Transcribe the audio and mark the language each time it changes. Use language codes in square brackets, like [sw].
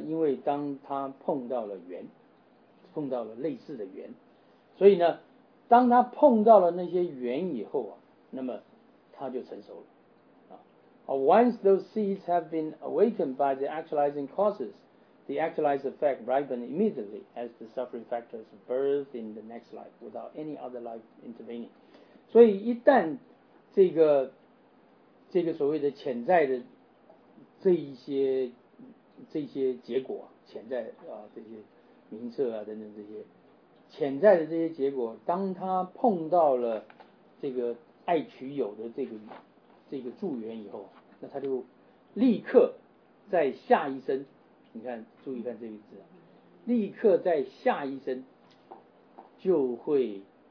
[zh] 因为当他碰到了缘，碰到了类似的缘，所以呢当他碰到了那些缘以后啊，那么他就成熟了。 [en] Once those seeds have been awakened by the actualizing causes, the actualized effect ripens immediately as the suffering factors birth in the next life without any other life intervening. [zh] 所以一旦这个所谓的潜在的这些结果，潜在啊这些名册啊等等这些潜在的这些结果，当他碰到了这个爱取有的这个助缘以后，那他就立刻在下一生，你看注意看这个字，立刻在下一生就会